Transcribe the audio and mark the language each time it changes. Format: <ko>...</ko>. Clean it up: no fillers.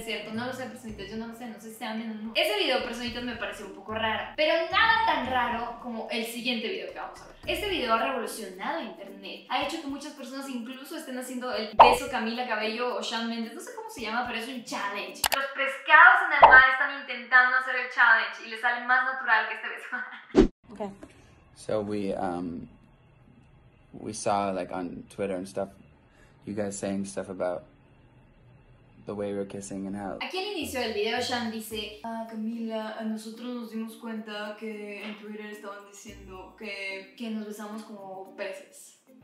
<es>Es cierto, no lo sé, personitas, yo no sé si se amen o no. Ese video, personitas, me pareció un poco raro, pero nada tan raro como el siguiente video que vamos a ver. Este video ha revolucionado internet, ha hecho que muchas personas incluso estén haciendo el beso Camila Cabello o Shawn Mendes, no sé cómo se llama, pero es un challenge. Los pescados en el mar están intentando hacer el challenge y les sale más natural que este beso. Okay.</es> <en>So we saw like on Twitter and stuff, you guys saying stuff about the way we're kissing and how.</en> <es>Aquí al inicio del video, Shan dice: ah, Camila, nosotros nos dimos cuenta que en Twitter estaban diciendo que nos besamos como peces.</es>